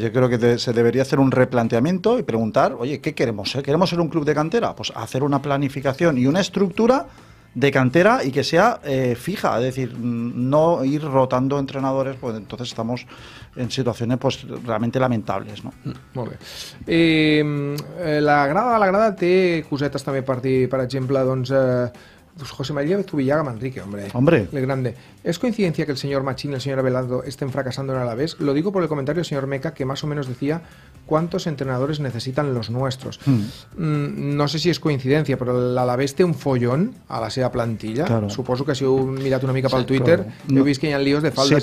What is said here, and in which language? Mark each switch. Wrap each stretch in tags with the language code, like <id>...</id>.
<es>Yo creo que se debería hacer un replanteamiento y preguntar, oye, ¿qué queremos ser? ¿Queremos ser un club de cantera? Pues hacer una planificación y una estructura de cantera y que sea fija, es decir, no ir rotando entrenadores, pues entonces estamos en situaciones pues realmente lamentables, ¿no?</es> <ca>Molt bé. La grada té cosetes també per dir, per exemple, doncs, José María Zubillaga Manrique, hombre.</ca> <es>El grande. ¿Es coincidencia que el señor Machín y el señor Abelardo estén fracasando en Alavés? Lo digo por el comentario del señor Meca, que más o menos decía cuántos entrenadores necesitan los nuestros. No sé si es coincidencia, pero el Alavés</es> <ca>té un follón a la seva plantilla.</ca> <es>Claro.</es> <ca>Supongo que si heu mirat una mica pel Twitter, claro, heu vist que hi ha líos de faldas.</ca>